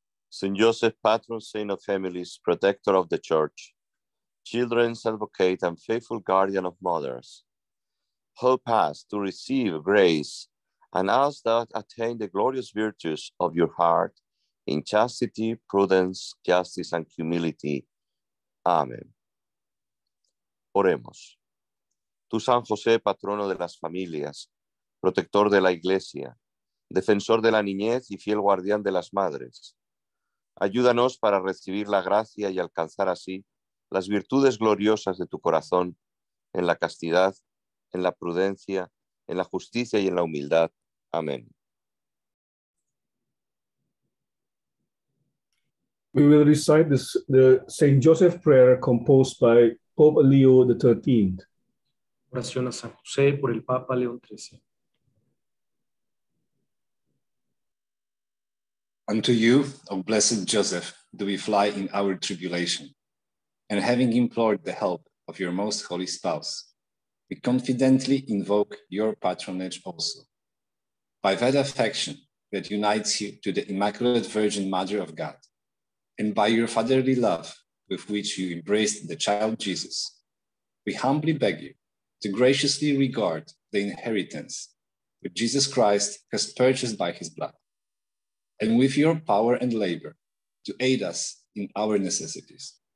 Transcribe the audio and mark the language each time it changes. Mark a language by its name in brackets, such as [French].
[English] Saint Joseph, patron saint of families, protector of the church, children's advocate and faithful guardian of mothers, help us to receive grace and ask that attain the glorious virtues of your heart in chastity, prudence, justice, and humility. [Spanish] Amen. Oremos. Tú, San José, patrono de las familias, protector de la iglesia, defensor de la niñez y fiel guardián de las madres. Ayúdanos para recibir la gracia y alcanzar así las virtudes gloriosas de tu corazón en la castidad, en la prudencia, en la justicia y en la humildad. Amén. [English] We will recite this, the Saint Joseph prayer composed by Pope Leo XIII. [Spanish] Oración a San José por el Papa León XIII. [English] Unto you, O blessed Joseph, do we fly in our tribulation. And having implored the help of your most holy spouse, we confidently invoke your patronage also. By that affection that unites you to the Immaculate Virgin Mother of God, and by your fatherly love with which you embraced the child Jesus, we humbly beg you to graciously regard the inheritance which Jesus Christ has purchased by his blood, and with your power and labor to aid us in our necessities.